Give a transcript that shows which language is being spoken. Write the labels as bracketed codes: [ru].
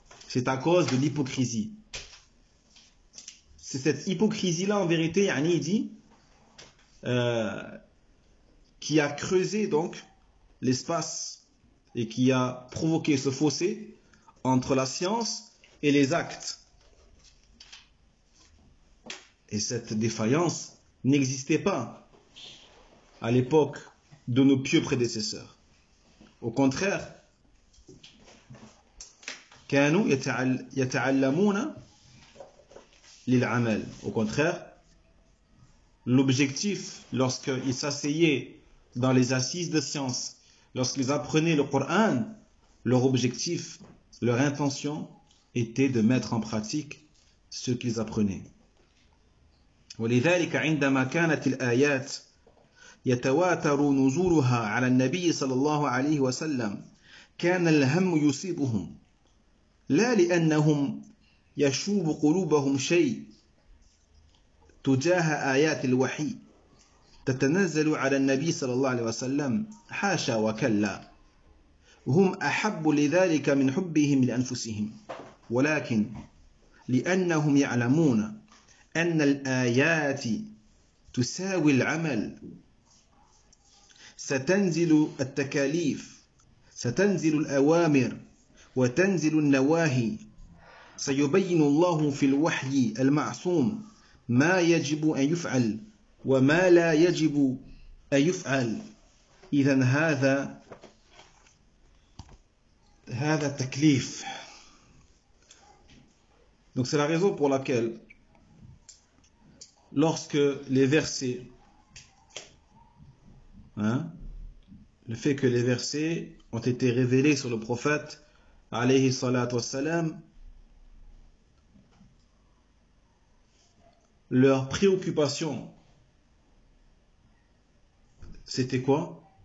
[fr] C'est à cause de l'hypocrisie. C'est cette hypocrisie-là, en vérité, Yanni dit, qui a creusé donc l'espace. Et qui a provoqué ce fossé entre la science et les actes. Et cette défaillance n'existait pas à l'époque de nos pieux prédécesseurs. Au contraire, [ar] كانوا يتعلمون للعمل. [fr] Au contraire, l'objectif, lorsqu'ils s'asseyaient dans les assises de science, lorsqu'ils apprenaient le Coran, leur objectif, leur intention était de mettre en pratique ce qu'ils apprenaient. [ar] ولذلك عندما كانت الآيات يتواتر نزولها على النبي صلى الله عليه وسلم كان الهم يصيبهم لا لأنهم يشوب قلوبهم شيء تجاه آيات الوحي تتنزل على النبي صلى الله عليه وسلم حاشا وكلا وهم أحب لذلك من حبهم لأنفسهم ولكن لأنهم يعلمون أن الآيات تساوي العمل ستنزل التكاليف ستنزل الأوامر وتنزل النواهي سيبين الله في الوحي المعصوم ما يجب أن يفعل وما لا يجب أن يفعل إذا هذا تكليف. [fr] Donc c'est la raison pour laquelle lorsque les versets le fait que les versets ont été révélés sur le prophète alayhi salatu wassalam, leur préoccupation c'était quoi?